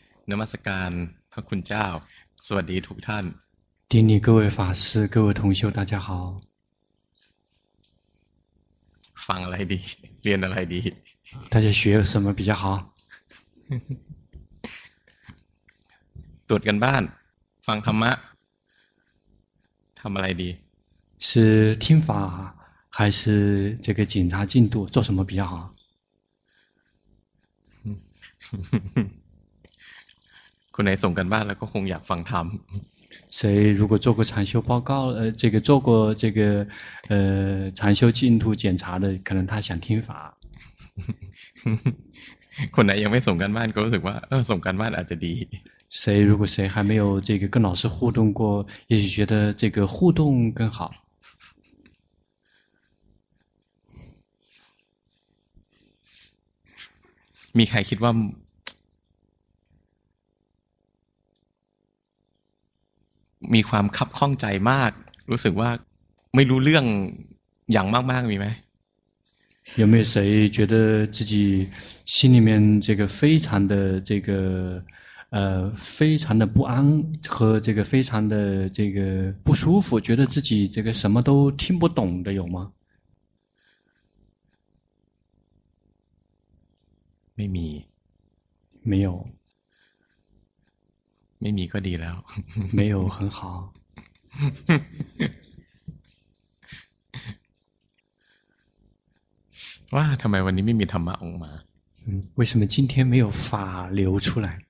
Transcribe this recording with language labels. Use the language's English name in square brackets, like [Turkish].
[Thai] นมัสการพระคุณเจ้าสวัสดีทุกท่าน ที่นี่ [Chinese] 各位法师各位同修大家好 [Thai] ฟังอะไรดีเรียนอะไรดี [Chinese] 大家学什么比较好 [Thai] ตรวจกันบ้านฟังธรรมะทำอะไรดี [Chinese] 是听法还是这个检查进度做什么比较好 [Thai] คุณไหนส่งกันบ้านแล้วก็คงอยากฟังธรรม [Chinese] 谁如果做过禅修报告，这个做过这个，禅修进度检查的，可能他想听法。 [Thai] คนไหนยังไม่ส่งกันบ้านก็รู้สึกว่าส่งกันบ้านอาจจะดี。 [Chinese] 谁如果谁还没有这个跟老师互动过，也许觉得这个互动更好。 [Thai] มีใครคิดว่าความคับข้องใจมากรู้สึกว่าไม่รู้เรื่องอย่างมากๆมีไหม [Chinese] 有没有谁觉得自己心里面这个非常的这个非常的不安和这个非常的这个不舒服觉得自己这个什么都听不懂的有吗 [Thai] ไม่มี [Chinese] 没有 [Thai] ไม่มีก็ดีแล้ว [Chinese] 没有很好 [Thai] ว่าทำไมวันนี้ไม่มีธรรมะออกมา [Chinese] 为什么今天没有法流出来